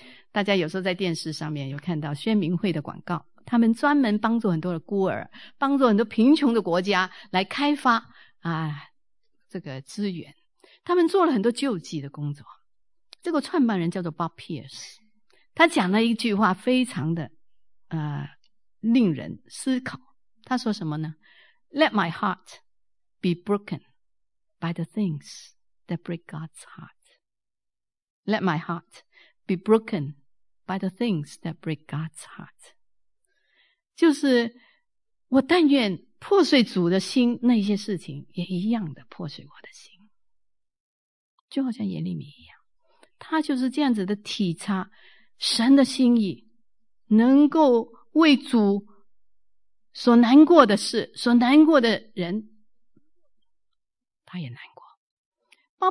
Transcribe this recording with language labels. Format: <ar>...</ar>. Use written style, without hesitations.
<zh>大家有时候在电视上面有看到宣明会的广告，他们专门帮助很多的孤儿，帮助很多贫穷的国家来开发啊这个资源。他们做了很多救济的工作。这个创办人叫做 Bob Pierce， 他讲了一句话非常的令人思考。他说什么呢？</zh> <en>Let my heart be broken by the things that break God's heart. Let my heart be broken by the things that break God's heart.</en> <zh>就是我但愿破碎主的心，那些事情也一样的破碎我的心。就好像耶利米一样，他就是这样子的体察神的心意，能够为主所难过的事，所难过的人，他也难过。</zh>